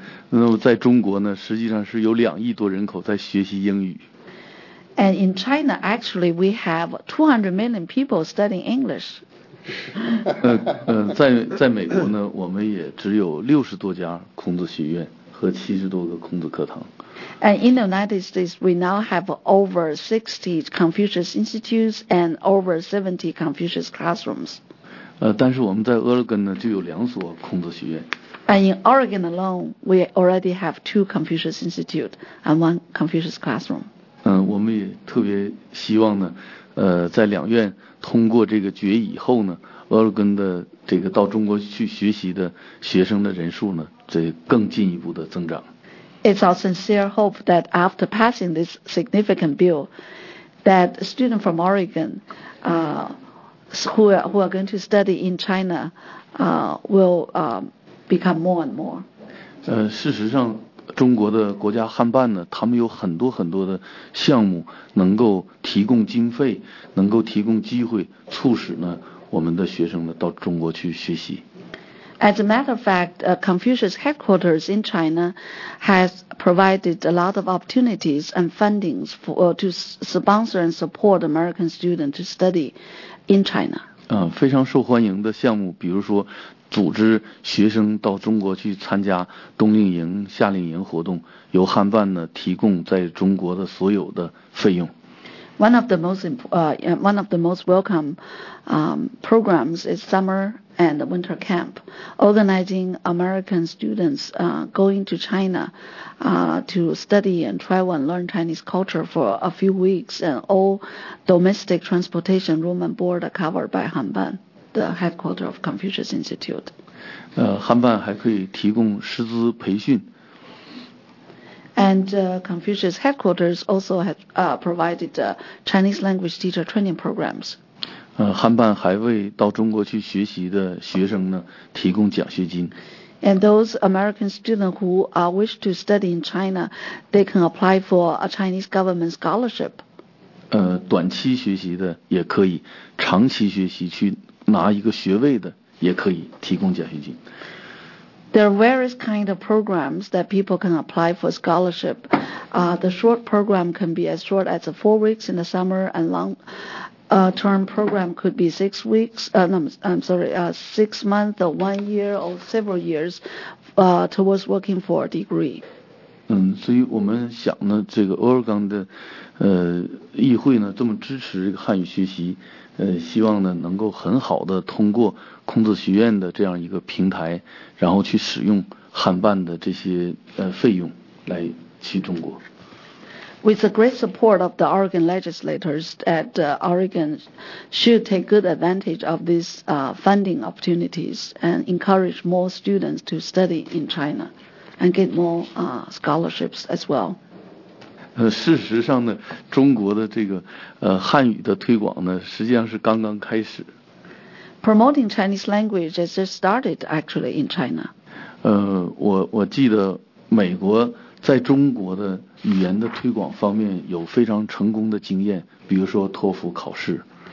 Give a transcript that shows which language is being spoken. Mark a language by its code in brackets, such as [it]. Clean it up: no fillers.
[zh] 那么在中国呢，实际上是有2亿多人口在学习英语。 [en] And in China, actually, we have 200 million people studying English. [zh] 在美国呢，我们也只有60多家孔子学院和70多个孔子课堂。 [en] And in the United States, we now have over 60 Confucius Institutes and over 70 Confucius classrooms. [zh] 但是我们在 Oregon 呢，就有2所孔子学院。 [en] And in Oregon alone, we already have 2 Confucius Institutes and 1 Confucius classroom. [zh] 我们也特别希望呢，在两院通过这个决议以后呢 ，Oregon 的这个到中国去学习的学生的人数呢，这更进一步的增长。 [en] It's our sincere hope that after passing this significant bill, that students from Oregon who are going to study in China will become more and more. [zh] 事实上，中国的国家汉办呢，他们有很多很多的项目能够提供经费，能够提供机会，促使呢我们的学生呢到中国去学习。 [en] As a matter of fact, Confucius headquarters in China has provided a lot of opportunities and fundings to sponsor and support American students to study in China. [zh] 非常受欢迎的项目，比如说组织学生到中国去参加冬令营、夏令营活动，由汉办呢提供在中国的所有的费用。 [en] One of the most welcome programs is summer and winter camp, organizing American students going to China to study and travel and learn Chinese culture for a few weeks, and all domestic transportation, room and board are covered by Hanban, the headquarters of Confucius Institute. [zh] Hanban 还可以提供师资培训。 [en] And Confucius headquarters also has provided Chinese language teacher training programs. [zh] 汉办还为到中国去学习的学生呢提供奖学金。 [en] And those American students who wish to study in China, they can apply for a Chinese government scholarship. [zh] 短期学习的也可以，长期学习去拿一个学位的也可以提供奖学金。 [en] There are various kind of programs that people can apply for scholarship. The short program can be as short as 4 weeks in the summer, and long-term program could be 6 weeks. Six months or 1 year or several years towards working for a degree. [zh] 所以我们想呢，这个 Oregon 的议会呢这么支持这个汉语学习，希望呢能够很好的通过。孔子学院的这样一个平台，然后去使用汉办的这些费用来去中国。 [en] With the great support of the Oregon legislators, that Oregon should take good advantage of these funding opportunities and encourage more students to study in China and get more scholarships as well. [zh] 事实上呢，中国的这个汉语的推广呢，实际上是刚刚开始。 [en] Promoting Chinese language has just started, actually, in China. [zh] 我记得美国在中国的语言的推广方面有非常成功的经验，比如说托福考试。